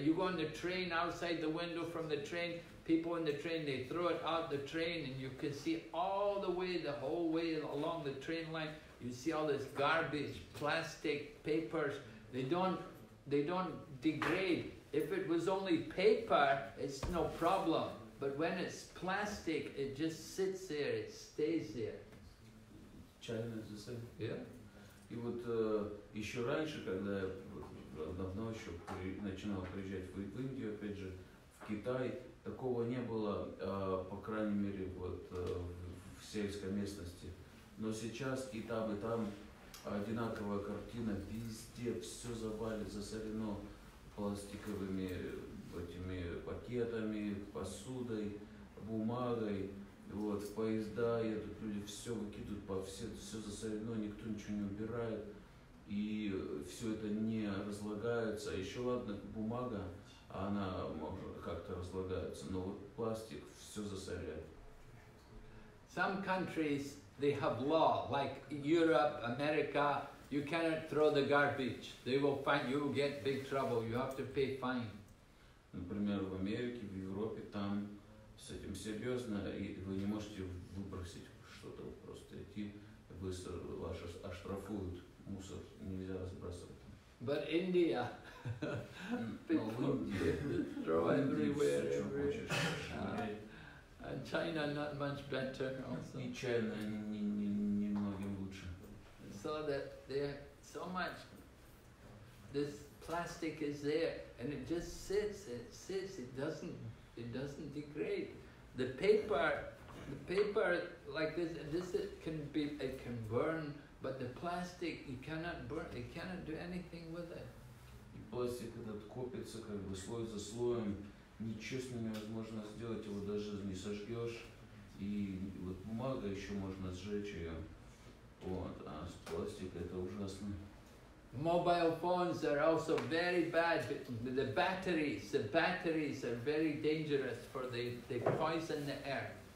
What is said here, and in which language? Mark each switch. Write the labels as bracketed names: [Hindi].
[English] You go on the train, outside the window from the train, people in the train, they throw it out the train, and you can see all the way, the whole way along the train line, you see all this garbage, plastic papers. They don't degrade. If it was only paper, it's no problem. But when it's plastic, it just sits there, it stays there. China is the same. Yeah. [Russian] И вот еще раньше, когда я давно еще начинал приезжать в Индию, опять же, в Китай, такого не было, по крайней мере, вот в сельской местности. Но сейчас и там одинаковая картина, везде все завалено, засорено пластиковыми этими пакетами, посудой, бумагой. Вот, в поезда едут, люди все выкидывают, все засорено, никто ничего не убирает, и все это не разлагается. Еще ладно, бумага, она может как-то разлагается, но вот пластик все засоряет. [English] Some countries, they have law, like Europe, America, you cannot throw the garbage. They will find you, get big trouble, you have to pay fine. [Russian] Например, в Америке, в Европе, там с этим серьезно, и вы не можете выбросить что-то, просто идти, быстро вас оштрафуют, мусор нельзя разбрасывать. [English] But India, throw everywhere, [Russian] что хочешь. [English] And China not much better also. [Russian] И China не многим лучше. [English] So that there so much this plastic is there, and it just sits, it doesn't degrade. The paper like this it can burn, but the plastic you cannot burn, it cannot do anything with it. [Russian] И пластик этот копится как бы слой за слоем, ничего с ним невозможно сделать, его даже не сожгешь. И вот бумага еще можно сжечь ее. Вот, а с пластика это ужасно. [English] Mobile phones are also very bad. The batteries are very dangerous for they poison the air.